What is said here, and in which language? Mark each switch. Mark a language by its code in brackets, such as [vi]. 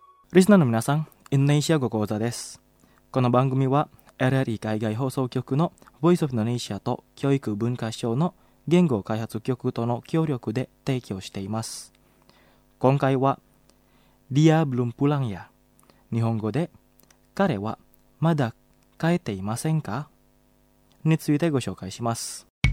[ja] リスナーの皆さん、インドネシア語講座です。この番組は、LRE 海外放送局の Voice of Indonesia と教育文化省の言語開発局との協力で提供しています。今回は、 [id] Dia belum pulang ya。 [ja] 日本語で、彼はまだ帰っていませんか? についてご紹介します。